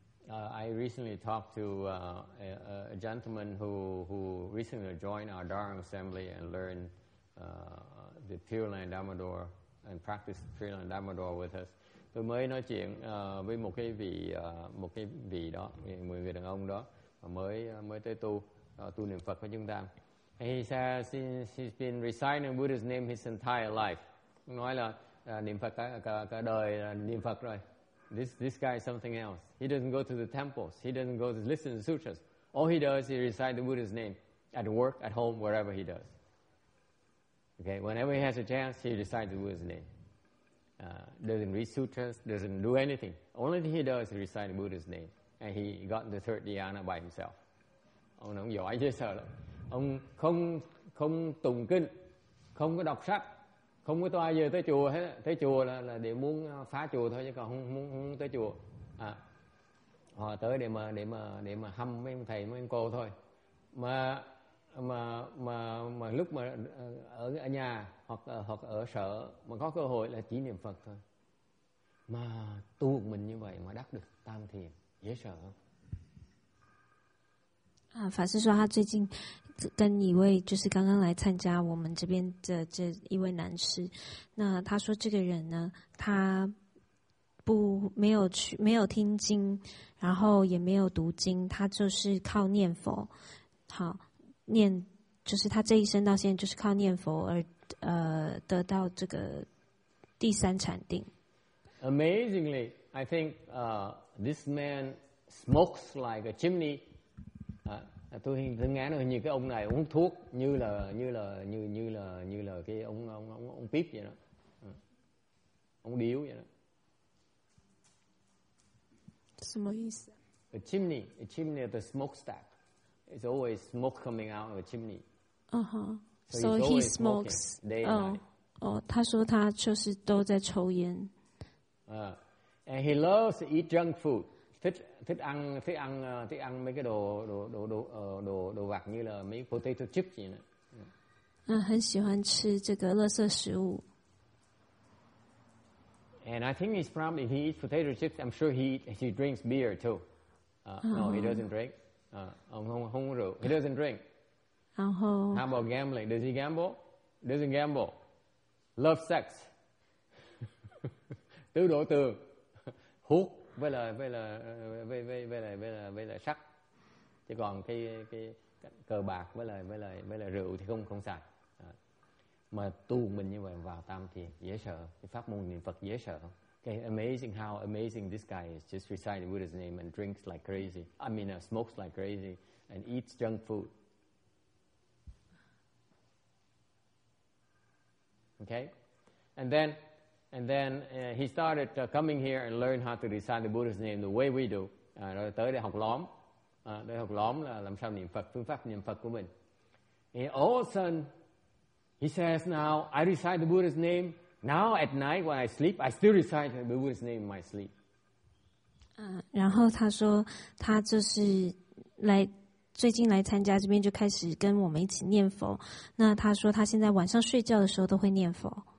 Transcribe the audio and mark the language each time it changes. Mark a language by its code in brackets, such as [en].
[en] I recently talked to a gentleman who recently joined our Dharma assembly and learned the Pure Land Dharma Door and practiced Pure Land Dharma Door with us. [vi] Tôi mới nói chuyện với một cái vị đó, một người đàn ông đó mới tới tu niệm Phật với chúng ta. [en] He says he's been reciting Buddha's name his entire life. [vi] Nói là niệm Phật cả đời niệm Phật rồi. [en] This guy is something else. He doesn't go to the temples. He doesn't go to listen to sutras. All he does is recite the Buddha's name at work, at home, wherever he does. Okay, whenever he has a chance, he recites the Buddha's name. Doesn't read sutras, doesn't do anything. Only thing he does is recite the Buddha's name. And he got the third dhyana by himself. [vi] Ông nói giỏi chứ sao lắm. Ông không tụng kinh, không có đọc sách, không có toa giờ tới chùa hết. Tới chùa là để muốn phá chùa thôi, chứ còn không tới chùa. Họ tới để mà hâm mấy ông thầy mấy ông cô thôi. Mà lúc mà ở nhà hoặc ở sở mà có cơ hội là chỉ niệm Phật thôi. Mà tu mình như vậy mà đắc được tam thiền, dễ sợ không? [zh] 法师说他最近跟一位就是刚刚来参加我们这边的这一位男士，那他说这个人呢，他不没有去没有听经，然后也没有读经，他就是靠念佛，好念就是他这一生到现在就是靠念佛而得到这个第三禅定。 [en] Amazingly, I think this man smokes like a chimney. [vi] Tôi nghe nói như cái ông này uống thuốc như là cái ông pip vậy đó, ông điếu vậy đó. [en] Smoke. A chimney, the smokestack. It's always smoke coming out of a chimney. So he smokes. Day and night. [zh] 他说他就是都在抽烟。 [en] And he loves to eat junk food. [vi] thích ăn mấy cái đồ vặt như là mấy potato chip gì nữa. [zh] 很喜欢吃这个垃圾食物. [en] And I think he's from, if he eats potato chips, I'm sure he drinks beer too. No, he doesn't drink. He doesn't drink. How about gambling? Does he gamble? Doesn't gamble. Love sex. [vi] Tứ đổ tường. Hút với là sắc. Chứ còn cái cờ bạc với là rượu thì không xài. Mà tu mình như vậy vào tam thiền dễ sợ, cái pháp môn niệm Phật dễ sợ. [en] Okay, amazing how amazing this guy is. Just recite the Buddha's name and drinks like crazy. I mean, smokes like crazy and eats junk food. Okay, and then he started coming here and learn how to recite the Buddha's name the way we do. [vi] Rồi tới đây học lóm, đây học lóm là làm sao niệm Phật, phương pháp niệm Phật của mình. [en] And all of a sudden, he says, "Now I recite the Buddha's name. Now at night when I sleep, I still recite the Buddha's name in my sleep." [zh] 然后他说他就是来。最近来参加这边就开始跟我们一起念佛。那他说他现在晚上睡觉的时候都会念佛。